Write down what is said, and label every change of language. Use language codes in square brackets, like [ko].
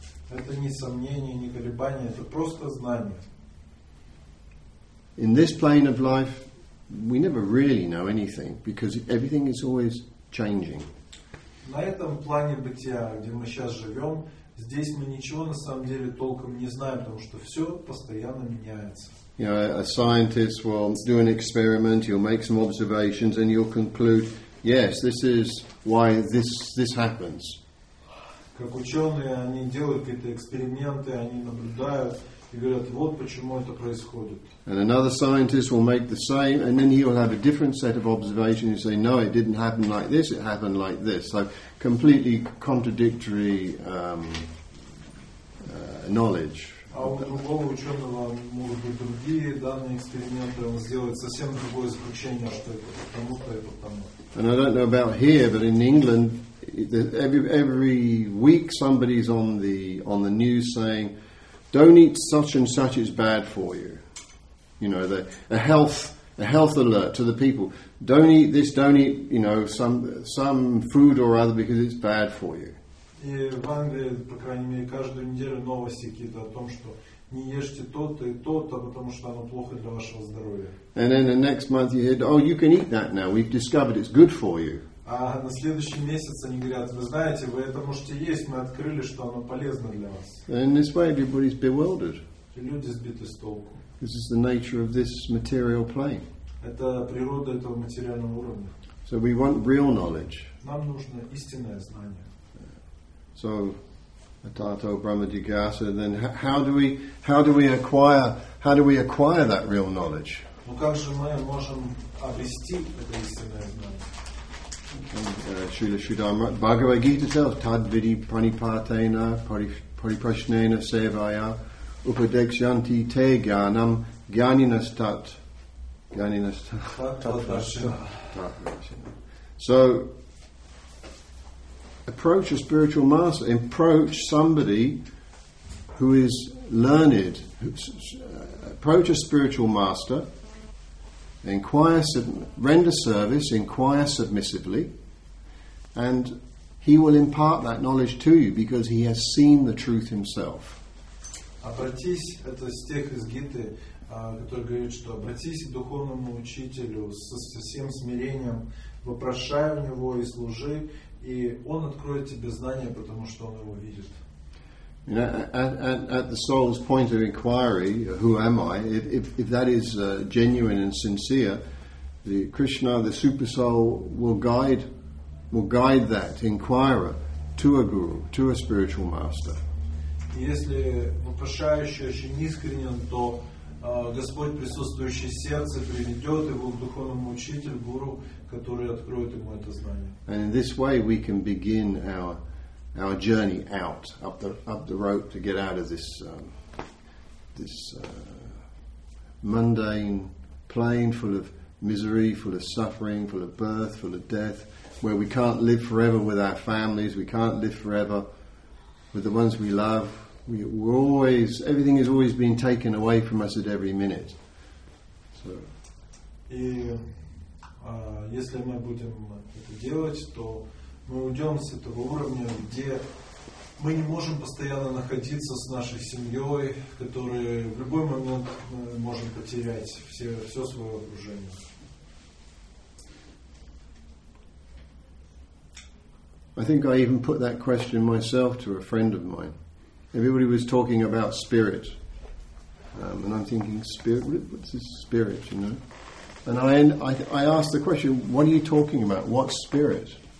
[ru] Это не сомнение, не колебание, это просто знание. [en] In this plane of life, we never really know anything because everything is always changing. [ru] На этом плане бытия, где мы сейчас живем, здесь мы ничего на самом деле толком не знаем, потому что все постоянно меняется. [en] You know, a scientist will do an experiment, you'll make some observations, and you'll conclude, yes, this is why this happens. [ru] Как ученые, они делают какие-то эксперименты, они наблюдают и говорят, вот почему это происходит. [en] And another scientist will make the same, and then he'll have a different set of observations and say, no, it didn't happen like this, it happened like this. So completely contradictory knowledge. [ru] А у другого ученого могут быть другие данные эксперименты, он сделает совсем другое заключение, что это потому-то, это потому. [en] And I don't know about here, but in England, every week somebody's on the news saying, don't eat such and such, it's bad for you. You know, a health alert to the people. Don't eat this, don't eat, you know, some food or other because it's bad for you. [ru] И в Англии, по крайней мере, каждую неделю новости какие-то о том, что не ешьте то-то и то-то, потому что оно плохо для вашего здоровья. [en] And then the next month you hear, oh, you can eat that now. We've discovered it's good for you. [ru] А на следующий месяц они говорят: вы знаете, вы это можете есть, мы открыли, что оно полезно для вас. [en] And in this way, everybody's bewildered. [ru] И люди сбиты с толку. [en] This is the nature of this material plane. [ru] Это природа этого материального уровня. [en] So we want real knowledge. [ru] Нам нужно истинное знание. [en] So, [sa] Atato Brahma Jigyasa, [en] then how do we acquire that real knowledge? [ru] Ну как же мы можем обрести это истинное знание? [sa] Srila Sridharma Bhagavad Gita tells Tadvidi Pranipatena Pariprashnena Sevaya Upadekshanti Te Gyanam Gyaninastat. [en] So approach a spiritual master, approach somebody who is learned, approach a spiritual master, render service, inquire submissively, and he will impart that knowledge to you because he has seen the truth himself. [ru] Обратись, это стих из Гиты, который говорит, что обратись к духовному учителю со всем смирением, вопрошай у него и служи, и он откроет тебе знание, потому что он его видит. [en] You know, at the soul's point of inquiry, who am I? If that is genuine and sincere, the Krishna, the super soul, will guide that inquirer to a guru, to a spiritual master. [ru] Если вопрошающий очень искренен, то Господь, присутствующий в сердце, приведет его к духовному учителю, гуру, который откроет ему это знание. [en] And in this way, we can begin our journey out up the rope to get out of this mundane plane full of misery, full of suffering, full of birth, full of death, where we can't live forever with our families, we can't live forever with the ones we love. Everything is always being taken away from us at every minute. So, [ru] если мы будем это делать, то мы уйдем с этого уровня, где мы не можем постоянно находиться с нашей семьей, которая в любой момент может потерять все свое окружение. [en] I think I even put that question myself to a friend of mine. Everybody was talking about spirit. And I'm thinking, spirit, what's this spirit, you know? And I asked the question, what are you talking about? What's spirit?